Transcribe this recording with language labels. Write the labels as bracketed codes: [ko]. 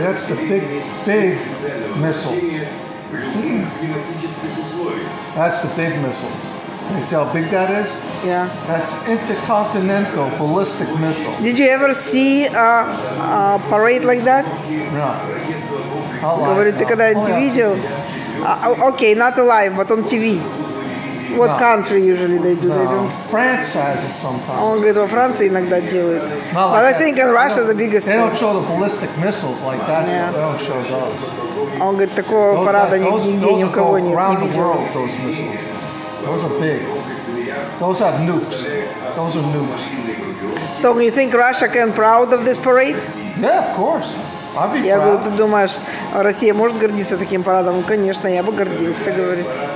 [en] That's the big, big missiles. That's the big missiles. You see how big that is? Yeah. That's intercontinental ballistic missile. Did you ever see a parade like that? No. [ru] Говорит, ты когда-нибудь видел? [en] Okay, not alive, but on TV. What no. country usually they do? No. They don't. France has it sometimes. [ru] Он говорит, во Франции иногда делают. [en] But like I think in Russia the biggest. They don't show the ballistic missiles like that. Yeah. They don't show those. [ru] Он говорит, такого [en] those, [ru] парада like, [en] those, [ru] нигде ни у кого не видел. [en] Those missiles. Those are big. Those have nukes. Those are nukes. So you think Russia can proud of this parade? Yeah, of course. I'd be [ru] я [en] proud. [ru] Говорю, ты думаешь, Россия может гордиться таким парадом? Ну, конечно, я бы гордился, говорит.